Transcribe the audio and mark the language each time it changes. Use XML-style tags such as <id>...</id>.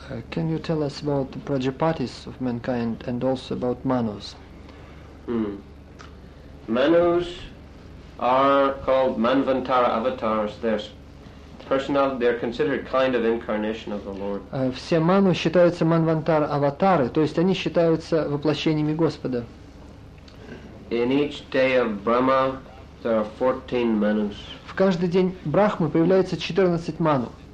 <en>Can you tell us about the Prajapatis of mankind and also about Manus? Manus are called Manvantara avatars. They're considered kind of incarnation of the Lord.</en> <ru>Все ману считаются манвантара аватары, то есть они считаются воплощениями Господа.</ru> <en>In each day of Brahma, there are 14 manus.</en> <ru>В каждый день Брахмы появляется 14 ману.</ru>